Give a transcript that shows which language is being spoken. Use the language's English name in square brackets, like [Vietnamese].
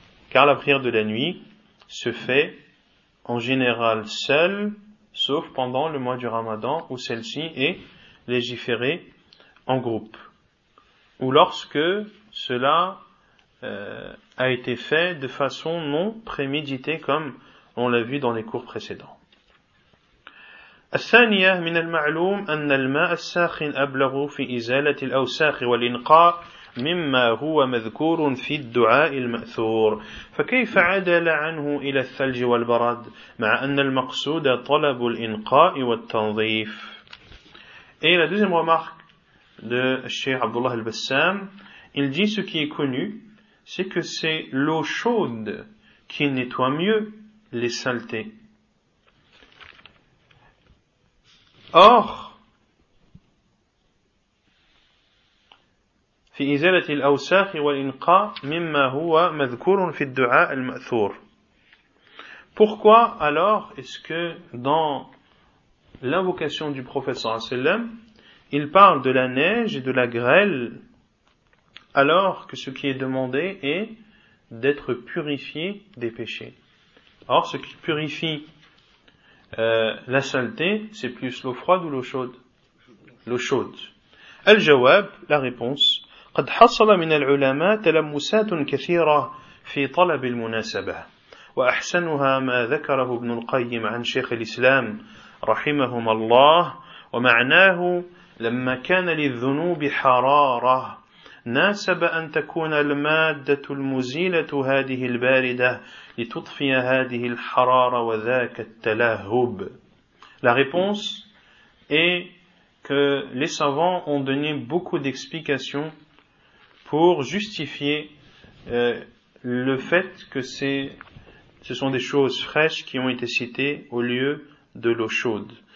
[French] Car la prière de la nuit se fait en général seule, sauf pendant le mois du Ramadan où celle-ci est légiférée en groupe. Ou lorsque cela a été fait de façon non préméditée comme on l'a vu dans les cours précédents. [Arabic] الثانية من المعلوم أن الماء الساخن أبلغ في إزالة الأوساخ والإنقاء مما هو مذكور في الدعاء المأثور فكيف عدل عنه إلى الثلج والبرد مع أن المقصود طلب الإنقاء والتنظيف. [French] Et la deuxième remarque de Cheikh Abdullah al-Bassam, il dit ce qui est connu, c'est que c'est l'eau chaude qui nettoie mieux les saletés. [Arabic] Or, في إزالة الأوساخ والإنقاء مما هو مذكور في الدعاء المأثور. [French] Pourquoi alors est-ce que dans l'invocation du prophète sallallahu alayhi wa sallam, il parle de la neige et de la grêle alors que ce qui est demandé est d'être purifié des péchés? Or, ce qui purifie la saleté, c'est plus l'eau froide ou l'eau chaude? L'eau chaude. Al-jawab, la réponse. [Arabic] قد حصل من العلماء تلمسات كثيرة في طلب المناسبة وأحسنها ما ذكره ابن القيم عن شيخ الإسلام رحمهما الله ومعناه لما كان للذنوب حرارة ناسب أن تكون المادة المزيلة هذه الباردة لتطفي هذه الحرارة وذاك التلهب. [French] La réponse est que les savants ont donné beaucoup d'explications pour justifier le fait que ce sont des choses fraîches qui ont été citées au lieu de l'eau chaude.